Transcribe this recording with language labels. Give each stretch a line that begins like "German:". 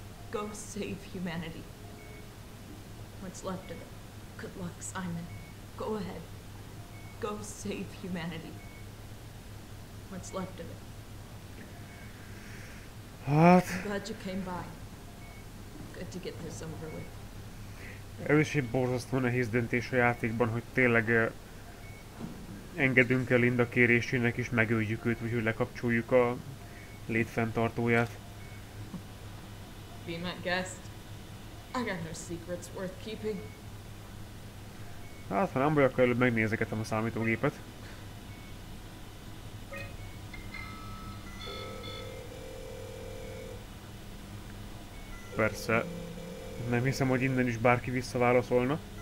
English: Go save humanity. What's left of it. Good luck, Simon. Go ahead. Go save humanity. What's left of it. Hát... I'm glad you came by. Good to get this over with.
Hungarian: Ez is egy borzasztó nehéz döntés a játékban, hogy tényleg engedünk el Linda kérésének és megöljük őt, vagy hogy lekapcsoljuk a létfenntartóját.
English: Be my guest. I got no secrets worth keeping.
Hungarian: Hát, ha nem baj, akkor előbb megnézegetem a számítógépet. Persze, nem hiszem, hogy innen is bárki visszaválaszolna.